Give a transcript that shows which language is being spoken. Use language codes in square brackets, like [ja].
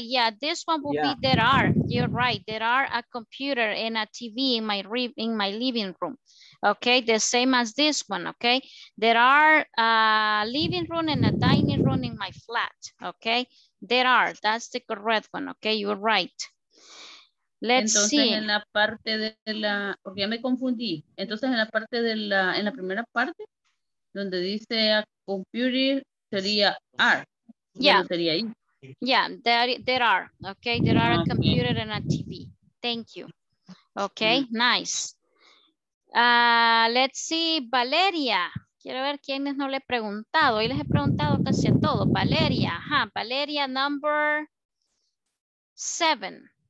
[en] Yeah, this one will be there are. You're right. There are a computer and a TV in my living room. Okay, the same as this one. Okay, there are a living room and a dining room in my flat. Okay, There are. That's the correct one. Okay, you're right. Let's [es] entonces, [en] see. [es] En la parte de la, porque ya me confundí. Entonces, en la parte de la, en la primera parte, donde dice a computer, sería are. [en] Yeah. [es] Sería ahí. [en] Yeah, there are. Okay, there are a computer and a TV. Thank you. Okay, nice. Let's see, Valeria. [es] Quiero ver quiénes no le he preguntado. Hoy les he preguntado casi a todos. Valeria, ajá. Valeria, [en] number 7.